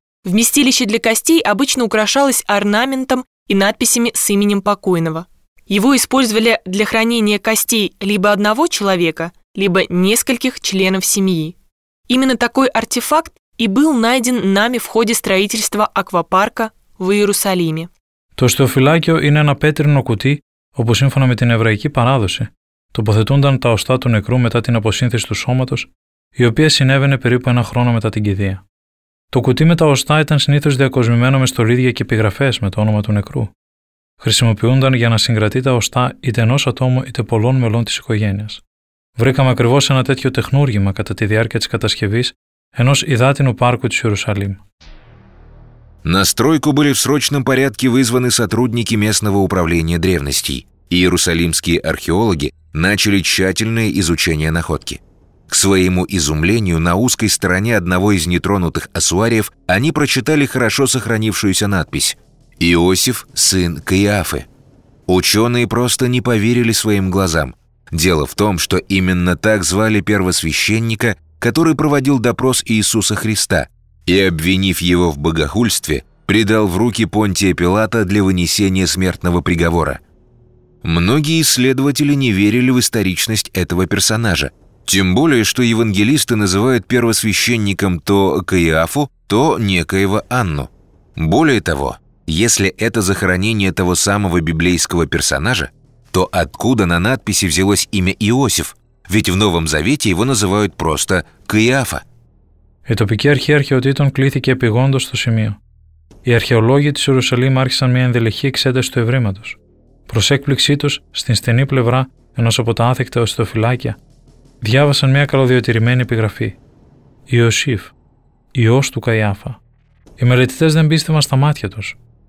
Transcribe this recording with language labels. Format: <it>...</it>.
<ru>Вместилище для костей обычно украшалось орнаментом и надписями с именем покойного. Его использовали для хранения костей либо одного человека, либо нескольких членов семьи. Именно такой артефакт и был найден нами в ходе строительства аквапарка в Иерусалиме.</ru> <el>Το οστεοφυλάκιο είναι ένα πέτρινο κουτί όπου σύμφωνα με την εβραϊκή παράδοση τοποθετούνταν τα οστά του νεκρού μετά την αποσύνθεση του σώματος, η οποία συνέβαινε περίπου ένα χρόνο μετά την κηδεία. Το κουτί με τα οστά ήταν συνήθως διακοσμημένο με στολίδια και επιγραφές με το όνομα του νεκρού. Χρησιμοποιούνταν για να συγκρατεί τα οστά είτε ενός ατόμου είτε πολλών μελών της οικογένειας. Βρήκαμε ακριβώς ένα τέτοιο τεχνούργημα κατά τη διάρκεια της κατασκευής ενός υδάτινου πάρκου της Ιερουσαλήμ.</el> <ru>На стройку были в срочном порядке вызваны сотрудники местного управления древностей. Иерусалимские археологи начали тщательное изучение находки. К своему изумлению, на узкой стороне одного из нетронутых ассуариев они прочитали хорошо сохранившуюся надпись «Иосиф, сын Каиафы». Ученые просто не поверили своим глазам. Дело в том, что именно так звали первосвященника, который проводил допрос Иисуса Христа – и, обвинив его в богохульстве, предал в руки Понтия Пилата для вынесения смертного приговора. Многие исследователи не верили в историчность этого персонажа, тем более, что евангелисты называют первосвященником то Каиафу, то некоего Анну. Более того, если это захоронение того самого библейского персонажа, то откуда на надписи взялось имя Иосиф? Ведь в Новом Завете его называют просто Каиафа.</ru> <el>Η τοπική αρχή αρχαιοτήτων κλήθηκε επηγόντως στο σημείο. Οι αρχαιολόγοι της Ιερουσαλήμ άρχισαν μια ενδελεχή εξέταση του ευρήματος. Προς έκπληξή τους, στην στενή πλευρά ενός από τα άθικτα οστεοφυλάκια, διάβασαν μια καλωδιοτηρημένη επιγραφή. Ιωσήφ, Υιός του Καϊάφα. Οι μελετητές δεν πίστευαν στα μάτια τους.</el>